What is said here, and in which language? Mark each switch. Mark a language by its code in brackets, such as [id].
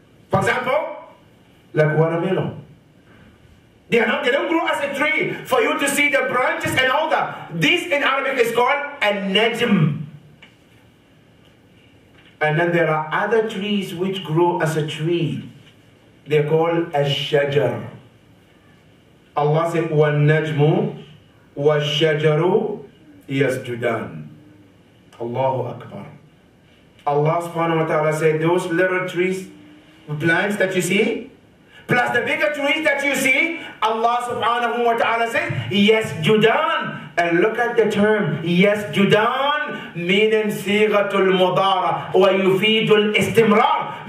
[en] For example, like watermelon. They don't grow as a tree for you to see the branches and all that. This in Arabic is called a najm. And then there are other trees which grow as a tree. They're called a shajar. [ar] Allah said, وَالنَّجْمُ وَالشَّجَرُ يَسْجُدَانِ. [en] Allahu Akbar. Allah subhanahu wa ta'ala said, those little trees, plants that you see, plus the bigger trees that you see, Allah subhanahu wa ta'ala said, يَسْجُدَانِ. And look at the term, يَسْجُدَانِ, meaning [ar] صِيغَةُ الْمُضَارَةِ وَيُفِيدُ الْإِسْتِمْرَارِ.